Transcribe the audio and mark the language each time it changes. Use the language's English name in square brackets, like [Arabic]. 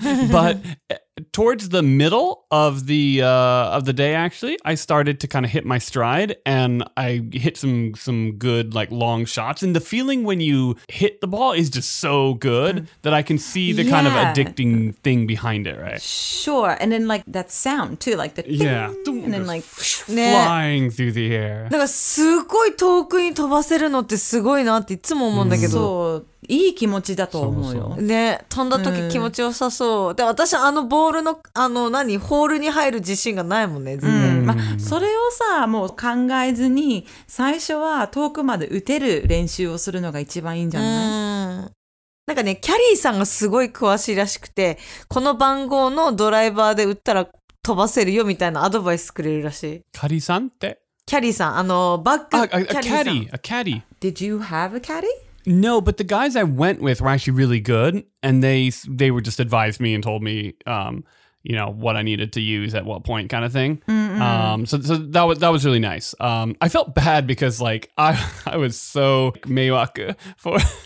[English] but towards the middle of the day, actually, I started to kind of hit my stride and I hit some good, like, long shots. And the feeling when you hit the ball is just so good that I can see the kind of addicting thing behind it, right? Sure. And then, like, that sound, too, like the ding, yeah. And then, like, flying through the air. [Japanese] なんかすごい遠くに飛ばせるのってすごいなっていつも思うんだけど。いい気持ちだと思うよ。そうそうね、飛んだ時気持ちよさそう。で、私あのボールの、あの何、ホールに入る自信がないもんね、全然。まあ、それをさ、もう考えずに、最初は遠くまで打てる練習をするのが一番いいんじゃない？なんかね、キャリーさんがすごい詳しいらしくて、この番号のドライバーで打ったら飛ばせるよみたいなアドバイスくれるらしい。キャリーさんって？キャリーさん、あの、バッグ、キャリーさん。 [English] A caddy. Did you have a caddy? No, but the guys I went with were actually really good, and they were just advised me and told me, you know, what I needed to use at what point kind of thing. So that was really nice. I felt bad because, like, I was so meiwaku for...